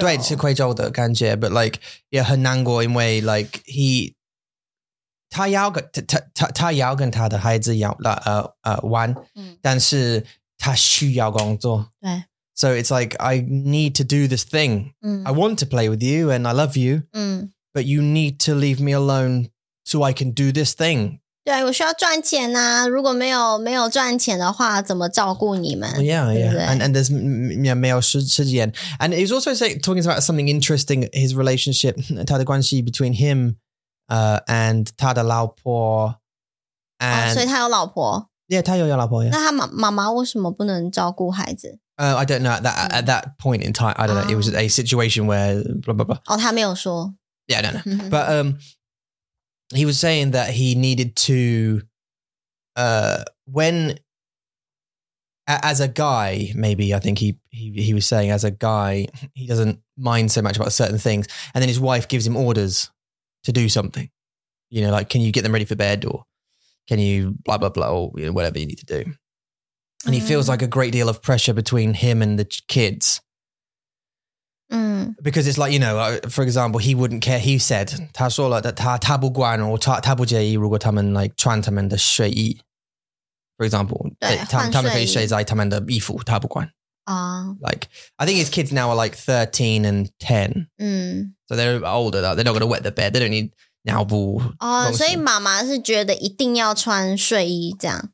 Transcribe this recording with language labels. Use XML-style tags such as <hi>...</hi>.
<zh>对是愧疚的感觉</zh> <en>But like, yeah,</en> <zh>很难过因为 like, 他要跟他的孩子要玩但是他需要工作对</zh> <en>So it's like, I need to do this thing. I want to play with you and I love you. But you need to leave me alone so I can do this thing.</en> <zh>对我需要赚钱啊如果没有赚钱的话怎么照顾你们</zh> <en>Yeah, yeah.</en> <zh>对不对?</zh> <en>And there's yeah,</en> <zh>没有时间</zh> <en>And he's also talking about something interesting, his relationship,</en> <zh>他的关系</zh> <en>between him and</en> <zh>他的老婆</zh> <en>and,、</en> <zh>所以他有老婆 Yeah, 他有老婆 yeah. 那他妈妈为什么不能照顾孩子</zh> <en>I don't know, at that point in time, I don't know, it was a situation where blah, blah, blah.</en> <zh>Oh, 他没有说。</zh> <en>Yeah, I don't know. But he was saying that he needed to, when, as a guy, maybe, I think he was saying, as a guy, he doesn't mind so much about certain things. And then his wife gives him orders to do something. You know, like, can you get them ready for bed? Or can you blah, blah, blah, or you know, whatever you need to do. And he feels like a great deal of pressure between him and the kids. Because it's like, you know, for example, he wouldn't care. He said,</en> <zh>他说了他他他不管或他他不介意如果他们 like 穿他们的睡衣</zh> <en>For example,</en> <zh>对他他们可以睡在他们的衣服他不管</zh> <en>Like, I think his kids now are like 13 and 10. So they're older. They're not going to wet the bed. They don't need</en> <zh>尿布哦，所以妈妈是觉得一定要穿睡衣这样。</zh>